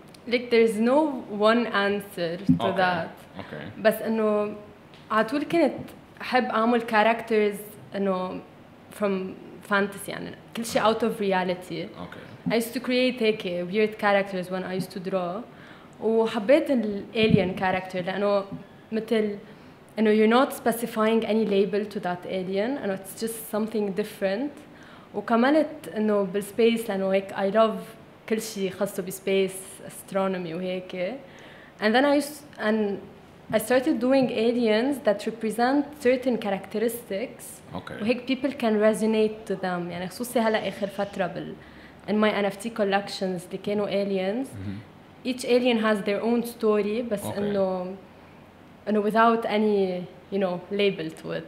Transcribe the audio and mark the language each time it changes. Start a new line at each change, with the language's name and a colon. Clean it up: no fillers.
English: like there is no one answer to okay. that okay okay.
Arabic: بس انه عطول كنت أحب أعمل characters إنه
English: from fantasy
Arabic: يعني كل شيء
English: out of reality. Okay. I used to create
Arabic: هيك
English: weird characters when I used to draw.
Arabic: وحبيت ال
English: alien character
Arabic: لأنه مثل إنه
English: you're not specifying any label to that alien and it's just something different.
Arabic: وكملت إنه بالspace لأنه هيك
English: I love
Arabic: كل شيء خاصه بالspace astronomy وهيك.
English: And then I started doing aliens that represent certain characteristics. Okay.
Arabic: وهيك
English: people can resonate to them.
Arabic: يعني خصوصي هلا آخر فترة بال
English: in my NFT collections
Arabic: اللي كانوا aliens. Mm-hmm.
English: Each alien has their own story,
Arabic: بس إنه
English: without any you know label to it.